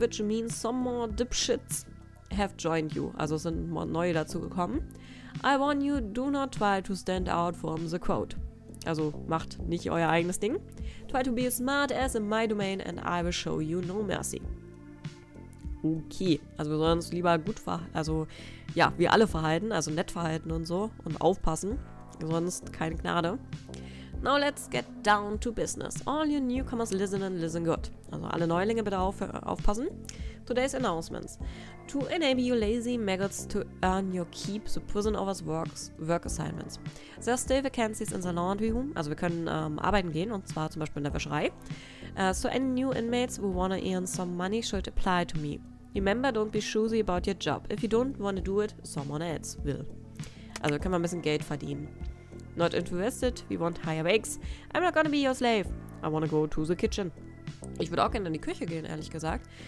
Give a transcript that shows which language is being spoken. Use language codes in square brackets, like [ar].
[en] Which means some more dipshits have joined you. [de] Also, sind neue dazu gekommen. [en] I warn you, do not try to stand out from the crowd. [de] Also, macht nicht euer eigenes Ding. [en] Try to be as smart as in my domain and I will show you no mercy. [de] Okay, also wir sollen uns lieber gut verhalten, also ja, wir alle verhalten, also nett verhalten und so und aufpassen, sonst keine Gnade. [en] Now let's get down to business. All you newcomers listen and listen good. [de] Also alle Neulinge bitte aufpassen. [en] today's announcements. To enable you lazy maggots to earn your keep, the prison overs work assignments. There are still vacancies in the laundry room. [de] Also wir können arbeiten gehen, und zwar zum Beispiel in der Wäscherei. [en] So any new inmates who wanna earn some money should apply to me. Remember, don't be choosy about your job. If you don't wanna do it, someone else will. [de] Also können wir ein bisschen Geld verdienen. [en] Not interested, we want higher wages. I'm not gonna be your slave. I wanna go to the kitchen. [de] Ich würde auch gerne in die Küche gehen, ehrlich gesagt.